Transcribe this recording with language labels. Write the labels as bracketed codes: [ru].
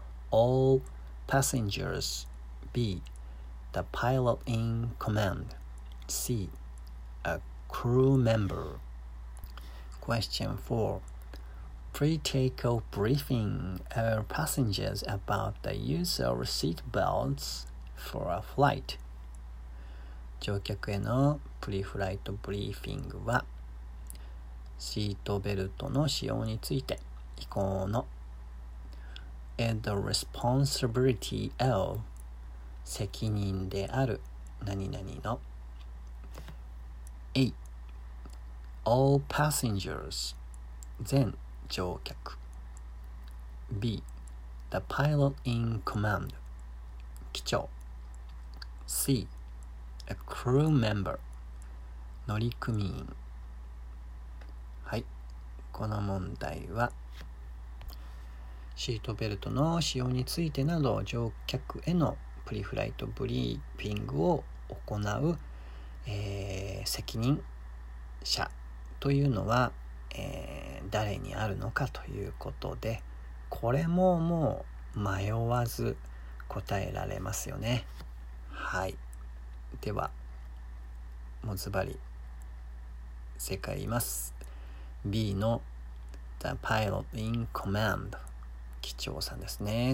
[en] All passengers. B. The pilot in command. C. A crew member. Question 4. Pre-takeoff briefing our passengers about the use of seatbelts for a flight. [ja] 乗客へのプリフライトブリーフィングはシートベルトの使用について飛行の [en] And the responsibility of [ja] 責任である何々の A. [en] All passengers [ja] 全乗客 [en] B. The pilot in command [ja] 機長 [en] C. A crew member [ja] 乗組員。はい、この問題はシートベルトの使用についてなど乗客へのプリフライトブリーフィングを行う、責任者というのは誰にあるのかということで、これももう迷わず答えられますよね。はい、ではもうズバリ正解言います。 [en] B の The pilot in command [ja] 機長さんですね。